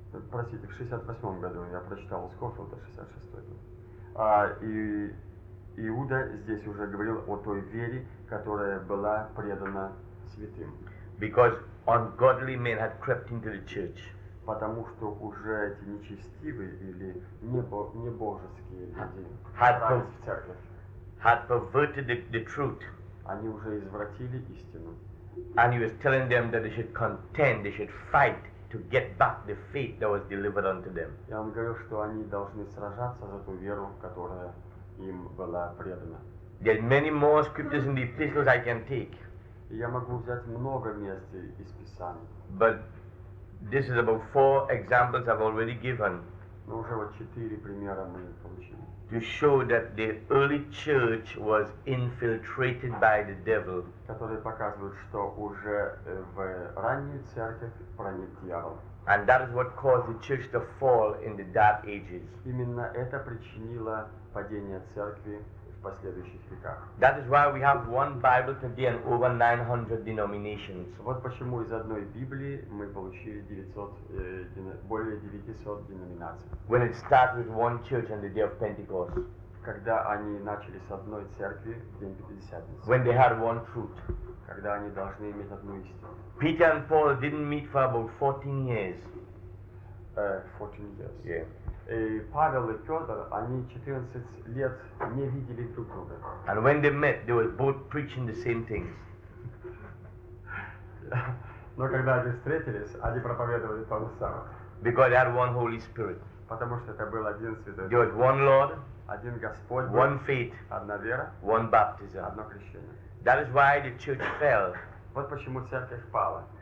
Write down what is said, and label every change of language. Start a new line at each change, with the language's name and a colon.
Russian: Простите, в 68 году я прочитал у Скофилда, 66 год. Иуда здесь уже говорил о той вере, которая была предана святым.
English: Because ungodly men had crept into the church.
Russian: Потому что уже эти нечестивые или небожеские люди вкрались в церковь.
English: Had perverted the truth.
Russian: Они уже извратили истину.
English: And he was telling them that they should contend, they should fight to get back the faith that was delivered unto them.
Russian: И он говорил, что они должны сражаться за ту веру, которая им была предана.
English: There are many more scriptures in the epistles I can take.
Russian: Я могу взять много мест из Писаний.
English: But this is about four examples I've already given.
Russian: Но уже вот четыре примера мы получили.
English: To show that the early church was infiltrated by the devil.
Russian: Которые показывают, что уже в раннюю церковь проник дьявол.
English: And that is what caused the church to fall in the dark ages.
Russian: Именно это причинило падение церкви в последующих веках.
English: That is why we have one Bible today and over 900 denominations.
Russian: Вот почему из одной Библии мы получили 900, более 900 деноминаций.
English: When it started with one church on the day of Pentecost.
Russian: Когда они начали с одной церкви в день Пятидесятницы.
English: When they had one truth.
Russian: Когда они должны иметь одну истину.
English: Peter and Paul didn't meet for about 14 years. 14 years. Yeah.
Russian: И Павел и Петр, они 14 лет не видели друг друга.
English: And when they met, they were both preaching the same things.
Russian: Но когда они встретились, они проповедовали то же самое.
English: Because they had one Holy Spirit.
Russian: Потому что это был один Святой Дух.
English: There was one Lord.
Russian: Один Господь.
English: One faith.
Russian: Одна вера.
English: One baptism.
Russian: Одно крещение.
English: That is why the church fell.
Russian: Вот почему церковь пала.